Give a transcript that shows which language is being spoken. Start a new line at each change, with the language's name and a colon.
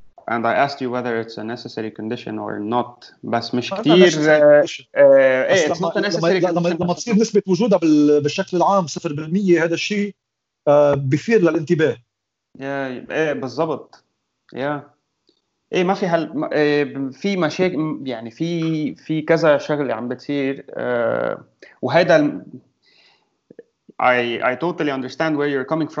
English: And I asked you whether it's a necessary condition or not.
Arabic: بس مش كتير
English: it's not a necessary condition.
Arabic: لما تصير نسبة وجودها بالشكل العام 0%، هذا الشيء بيثير للانتباه. ايه بالضبط. ايه ما في هل في مشاكل، يعني في كذا شغله عم بتصير.
English: وهذا I totally understand where you're coming from.